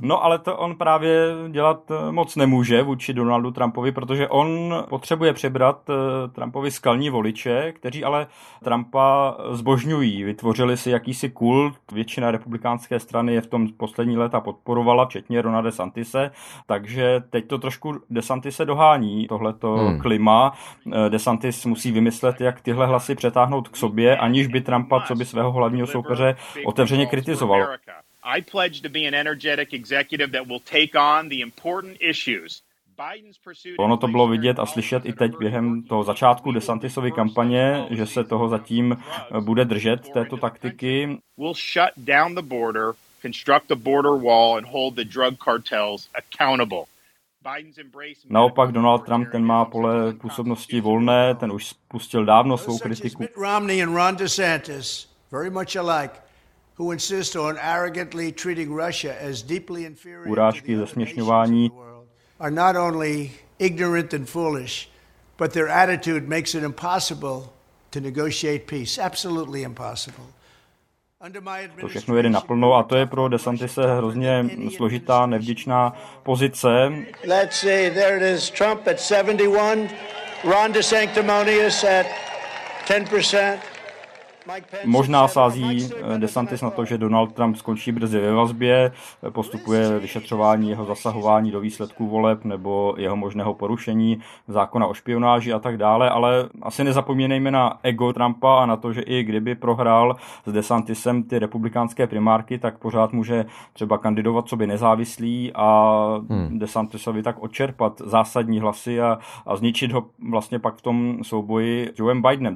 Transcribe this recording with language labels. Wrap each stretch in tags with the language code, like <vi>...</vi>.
<cs>No ale to on právě dělat moc nemůže vůči Donaldu Trumpovi, protože on potřebuje přebrat Trumpovi skalní voliče, kteří ale Trumpa zbožňují, vytvořili si jakýsi kult, většina republikánské strany je v tom poslední léta podporovala, včetně Rona DeSantise, takže teď to trošku DeSantise dohání, tohleto klima. DeSantis musí vymyslet, jak tyhle hlasy přetáhnout k sobě, aniž by Trumpa, co by svého hlavního soupeře, otevřeně kritizoval.</cs> <en>I pledge to be an energetic executive that will take on the important issues.</en> <cs>Ono to bylo vidět a slyšet i teď během toho začátku DeSantisovy kampaně, že se toho zatím bude držet této taktiky.</cs> <en>Will shut down the border, construct a border wall and hold the drug cartels accountable.</en> <cs>Naopak Donald Trump, ten má pole působnosti volné, ten už spustil dávno svou kritiku.</cs> <en>Mitt Romney and Ron DeSantis, very much alike, who insist on arrogantly treating Russia as deeply inferior.</en> <cs>Urážky, zesměšňování.</cs> <en>Are not only ignorant and foolish, but their attitude makes it impossible to negotiate peace. Absolutely impossible.</en> <cs>To všechno jede naplno a to je pro DeSantise hrozně složitá, nevděčná pozice.</cs> <en>Let's see, there it is, Trump at 71, Ron DeSanctimonious at 10%.</en> <cs>Možná sází DeSantis na to, že Donald Trump skončí brzy ve vazbě, postupuje vyšetřování jeho zasahování do výsledků voleb nebo jeho možného porušení zákona o špionáži a tak dále, ale asi nezapomínejme na ego Trumpa a na to, že i kdyby prohrál s DeSantisem ty republikánské primárky, tak pořád může třeba kandidovat co by nezávislý a DeSantisovi tak odčerpat zásadní hlasy a zničit ho vlastně pak v tom souboji s Joe Bidenem.</cs>